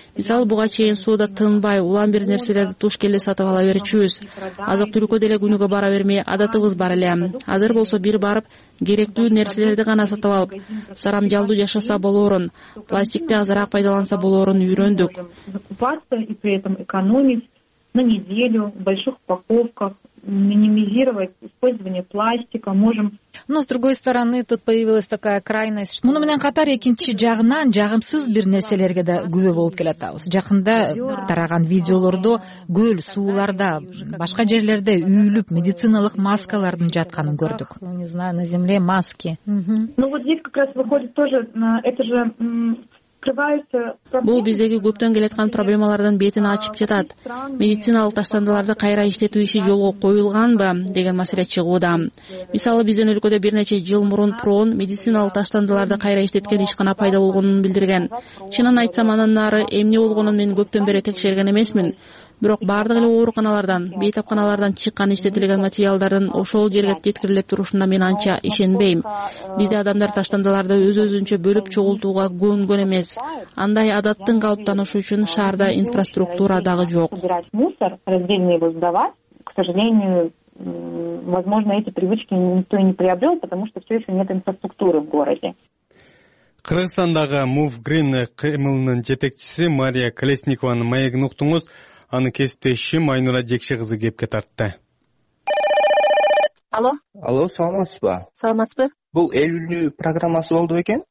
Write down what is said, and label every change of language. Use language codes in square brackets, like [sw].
[ky] Мисалы, буга чейин соода тынбай, улам бир нерселерди туш келе сатып ала берчүбүз. Азык түлүккө деле күнүгө бара бермей адатыбыз бар эле. Азыр болсо бир барып керектүү нерселерди гана сатып алып, сарамжалдуу жашаса болоорун, пластикти азыраак пайдаланса болоорун үйрөндүк. [ru] На неделю в больших упаковках минимизировать использование пластика можем. Но с другой стороны, тут появилась такая крайность, что... [ky] Муну менен катар экинчи жагынан жагымсыз бир нерселерге да күбө болуп келатабыз. Жакында тараган видеолордо көл, сууларда, башка жерлерде үйүлүп медициналык маскалардын жатканын көрдүк. [ru] Ну, не знаю, на земле маски. Ну вот здесь как раз выходит тоже на это же [ky] Бул биздеги көптөн келаткан проблемалардын бетин ачып жатат. Медициналык таштандыларды кайра иштетүү иши жолго коюлганбы деген маселе чыгууда. Мисалы, биздин өлкөдө бир нече жыл мурун прон медициналык таштандыларды кайра иштеткен ишкана пайда болгонун билдирген. Чынын айтсам, анан ары эмне болгонун мен көптөн бери текшерген эмесмин. Бирок баардык эле ооруканалардан, бейтапканалардан чыккан иштетилген материалдардын ошол жерге жеткирилип турушуна мен анча ишенбейм. Бизде адамдар таштандыларды өз-өзүнчө бөлүп чогултууга көнгөн эмес. Андай адаттын калыптанышы үчүн шаарда инфраструктура дагы жок. [ru] Мусор, раздельно его сдавать, к сожалению, возможно, эти привычки никто не приобрел, потому что все еще нет инфраструктуры в городе. [ky] Кыргызстандагы Move Green кыймылынын жетекчиси Мария Колесникованын маегин уктуңуз. Анын кесиптешим Айнура Жекши кызы кепке тартты. Алло. Алло, саламатсызбы? Саламатсызбы? Бул эл үнү программасы болду экен?